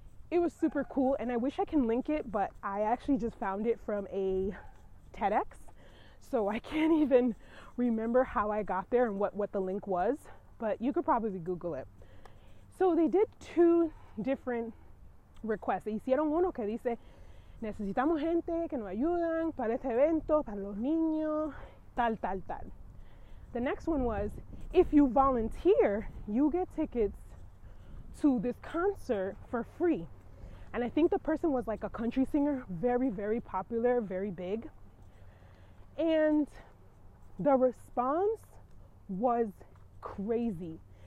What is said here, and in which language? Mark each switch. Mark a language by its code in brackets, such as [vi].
[en] It was super cool, and I wish I can link it, but I actually just found it from a TEDx, so I can't even remember how I got there and what the link was, but you could probably Google it. So they did two different requests. They [es] hicieron uno que dice, necesitamos gente que nos ayudan para este evento, para los niños, tal, tal, tal. [en] The next one was, if you volunteer, you get tickets to this concert for free. And I think the person was like a country singer, very, very popular, very big. And the response was crazy.